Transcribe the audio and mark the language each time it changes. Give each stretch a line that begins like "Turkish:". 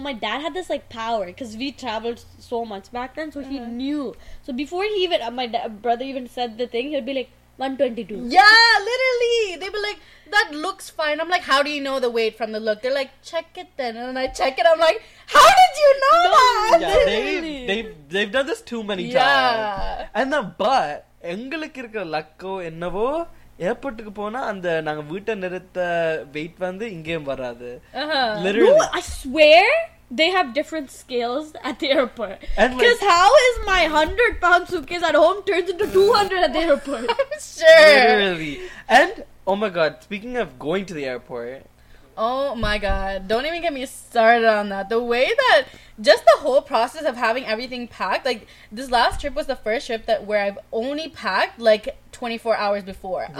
English: My dad had this like power because we traveled so much back then, so he knew. So before he even, my brother even said the thing, he'd be like, 122. Yeah, literally. They'd be like, that looks fine. I'm like, how do you know the weight from the look? They're like, check it then. And then I check it. I'm like, how did you know that? Yeah, they've done this too many times. And then, but,
Tamil: எங்களுக்கு இருக்கிற லக்கோ என்னவோ, ஏர்போர்ட்டுக்கு போனா அந்த நாங்க வீட்டை நிறுத்த wait வந்து இங்கேயும் வராது.
English: Literally. No, I swear they have different scales at the airport. Because how is my 100 pound suitcase at home turns into 200 at the airport? I'm sure. Literally. And oh my God, speaking of going to the airport. Oh my God, don't even get me started on that. The way that, just the whole process of having everything packed, like this last trip was the first trip that where I've only packed like 24 hours before. Really?